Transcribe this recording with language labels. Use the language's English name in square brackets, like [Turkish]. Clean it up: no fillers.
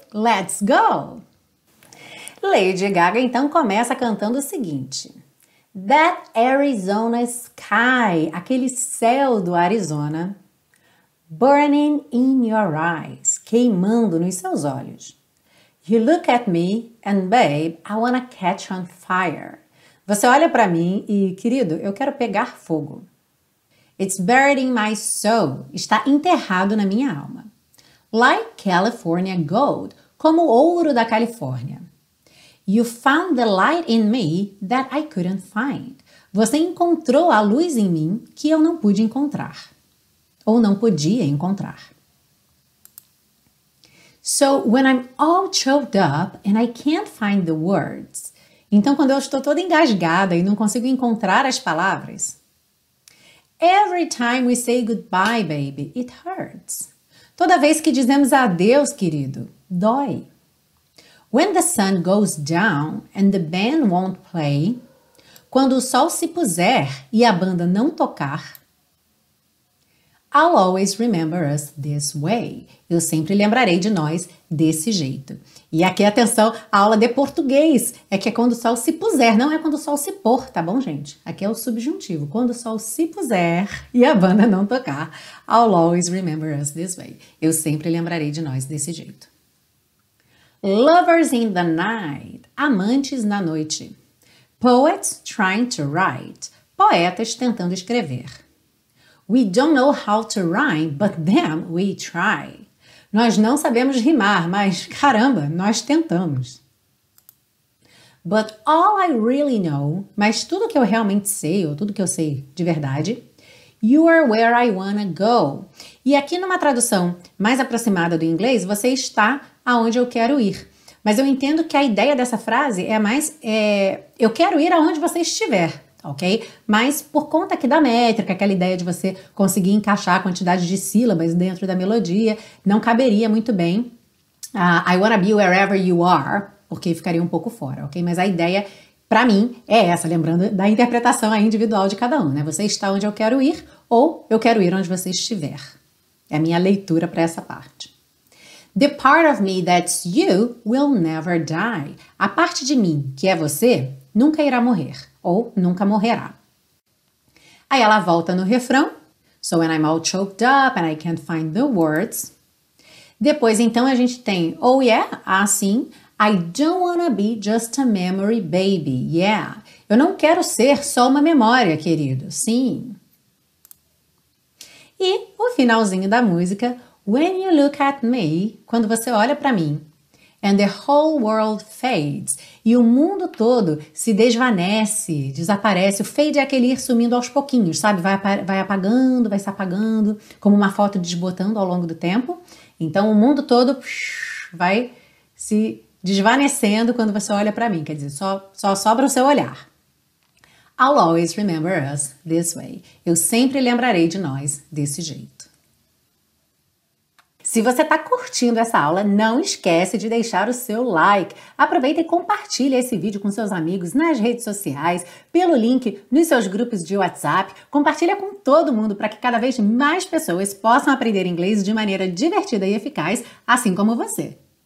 [English] Let's go! [Portuguese] Lady Gaga então começa cantando o seguinte. [English] That Arizona sky, [Portuguese] aquele céu do Arizona, [English] burning in your eyes, [Portuguese] queimando nos seus olhos. [English] You look at me and babe, I wanna catch on fire. [Portuguese] Você olha para mim e, querido, eu quero pegar fogo. [English] It's buried in my soul, [Portuguese] está enterrado na minha alma. [English] Like California gold, [Portuguese] como ouro da Califórnia. [English] You found the light in me that I couldn't find. [Portuguese] Você encontrou a luz em mim que eu não pude encontrar. Ou não podia encontrar. [English] So when I'm all choked up and I can't find the words. [Portuguese] Então quando eu estou toda engasgada e não consigo encontrar as palavras. [English] Every time we say goodbye, baby, it hurts. [Portuguese] Toda vez que dizemos adeus, querido, dói. [English] When the sun goes down and the band won't play. [Portuguese] Quando o sol se puser e a banda não tocar. [English] I'll always remember us this way. [Portuguese] Eu sempre lembrarei de nós desse jeito. E aqui, atenção, a aula de português. É que é quando o sol se puser, não é quando o sol se pôr, tá bom, gente? Aqui é o subjuntivo. Quando o sol se puser e a banda não tocar. [English] I'll always remember us this way. [Portuguese] Eu sempre lembrarei de nós desse jeito. [English] Lovers in the night, [Portuguese] amantes na noite. [English] Poets trying to write, [Portuguese] poetas tentando escrever. [English] We don't know how to rhyme, but then we try. [Portuguese] Nós não sabemos rimar, mas caramba, nós tentamos. [English] But all I really know, [Portuguese] mas tudo que eu realmente sei, ou tudo que eu sei de verdade, [English] you are where I wanna go. [Portuguese] E aqui numa tradução mais aproximada do inglês, você está aonde eu quero ir. Mas eu entendo que a ideia dessa frase é mais, eu quero ir aonde você estiver, ok? Mas por conta aqui da métrica, aquela ideia de você conseguir encaixar a quantidade de sílabas dentro da melodia, não caberia muito bem. [English] I wanna be wherever you are, [Portuguese] porque ficaria um pouco fora, ok? Mas a ideia, pra mim, é essa, lembrando da interpretação individual de cada um, né? Você está onde eu quero ir ou eu quero ir onde você estiver. É a minha leitura para essa parte. [English] The part of me that's you will never die. [Portuguese] A parte de mim que é você nunca irá morrer ou nunca morrerá. Aí ela volta no refrão. [English] So when I'm all choked up and I can't find the words. [Portuguese] Depois, então, a gente tem, [English] oh yeah, assim, I don't wanna be just a memory baby, yeah. [Portuguese] Eu não quero ser só uma memória, querido, sim. E o finalzinho da música, [English] when you look at me, [Portuguese] quando você olha pra mim, [English] and the whole world fades, [Portuguese] e o mundo todo se desvanece, desaparece, o fade é aquele ir sumindo aos pouquinhos, sabe? Vai apagando, vai se apagando, como uma foto desbotando ao longo do tempo. Então, o mundo todo vai se desvanecendo quando você olha pra mim. Quer dizer, só sobra o seu olhar. [English] I'll always remember us this way. [Portuguese] Eu sempre lembrarei de nós desse jeito. Se você está curtindo essa aula, não esquece de deixar o seu like. Aproveita e compartilha esse vídeo com seus amigos nas redes sociais, pelo link nos seus grupos de WhatsApp. Compartilha com todo mundo para que cada vez mais pessoas possam aprender inglês de maneira divertida e eficaz, assim como você.